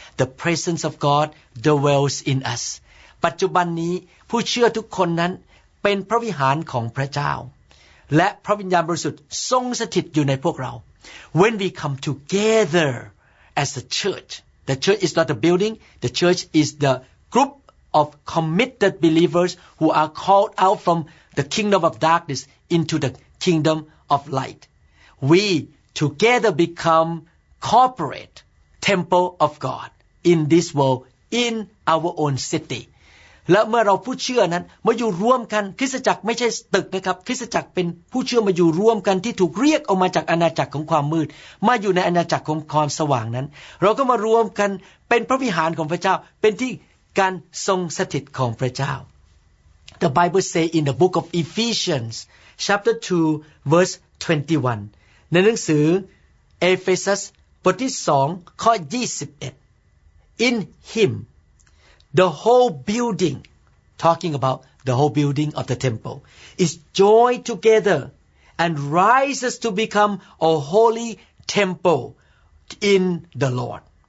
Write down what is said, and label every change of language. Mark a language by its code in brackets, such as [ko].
[en] The presence of God dwells in us. [th] ปัจจุบันนี้ผู้เชื่อทุกคนนั้นเป็นพระวิหารของพระเจ้าและพระวิญญาณบริสุทธิ์ทรงสถิตอยู่ในพวกเรา [en] When we come together as a church, the church is not a building, the church is the group of committed believers who are called out from the kingdom of darkness into the kingdom of light. We together become corporate temple of God in this world in our own city. [th] และเมื่อเราผู้เชื่อนั้นมาอยู่ร่วมกันคริสตจักรไม่ใช่ตึกนะครับคริสตจักรเป็นผู้เชื่อมาอยู่ร่วมกันที่ถูกเรียกออกมาจากอาณาจักรของความมืดมาอยู่ในอาณาจักรของความสว่างนั้นเราก็มารวมกันเป็นพระวิหารของพระเจ้าเป็นที่การทรงสถิตของพระเจ้า [en] The Bible say in the book of Ephesians chapter 2 verse 21 [th] ในหนังสือเอเฟซัสบทที่2ข้อ21 [en] In him the whole building talking about the whole building of the temple is joined together and rises to become a holy temple in the Lord